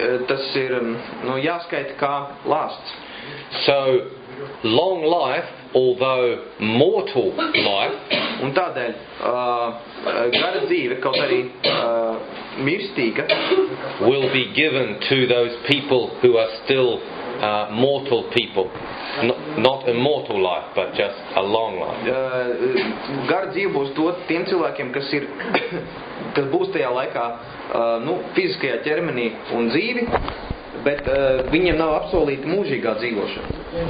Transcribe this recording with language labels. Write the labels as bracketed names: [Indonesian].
[Latvian] Tas ir jāskaita kā lāsts. [English] So long life, although mortal life, [Latvian] un tādēļ gara dzīve, kaut arī mirstīga, [English] will be given to those people who are still mortal people. Not immortal life, but just a long life. [Latvian] Gara dzīve būs dot tiem cilvēkiem, kas ir, kas būs tajā laikā fiziskajā ķermenī un dzīvi, bet viņiem nav apsolīta mūžīgā dzīvošana.